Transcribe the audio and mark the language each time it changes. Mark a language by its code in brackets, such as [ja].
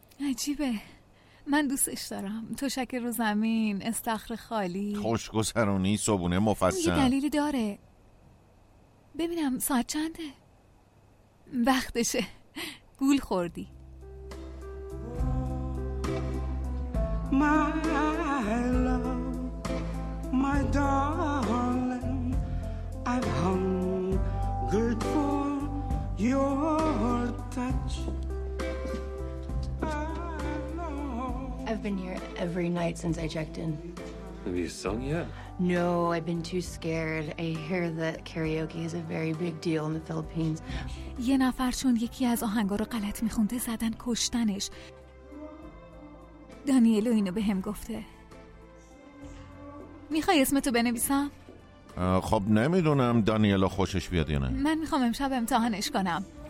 [fa] عجیبه، من دوستش دارم. تشک رو زمین، استخر خالی، خوشگذرونی، صبونه مفصل. یه دلیلی داره. ببینم ساعت چنده؟ وقتشه، گول خوردی. [en] My love, my darling, I've hungered for your touch. I've been here every night since I checked in. Have you sung yet? No, I've been too scared. I hear that karaoke is a very big deal in the Philippines. [fa] یه نفر چون یکی از آهنگا رو غلط میخونده زدن کشتنش. دانیلو اینو به هم گفته. میخوای اسمتو بنویسم؟ خب نمیدونم دانیلو خوشش بیاد یا نه. من میخوام امشب امتحانش کنم.